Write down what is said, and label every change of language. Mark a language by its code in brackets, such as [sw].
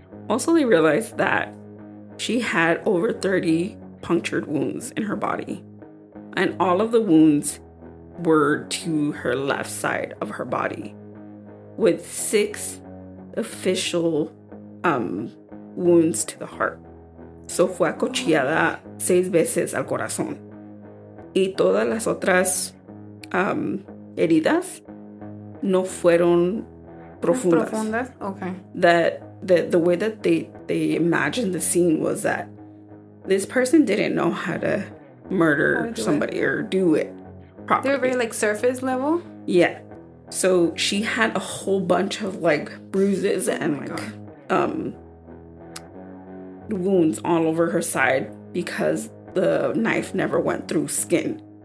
[en] Also, they realized that she had over 30 punctured wounds in her body, and all of the wounds were to her left side of her body, with 6 official wounds to the heart. [es] So fue acuchillada 6 veces al corazón, y todas las otras heridas no fueron profundas. Profundas, okay. [en] The way that they imagined the scene was that this person didn't know how to murder somebody or do it properly. They were very, like, surface level? Yeah. So she had a whole bunch of like bruises and wounds all over her side because the knife never went through skin.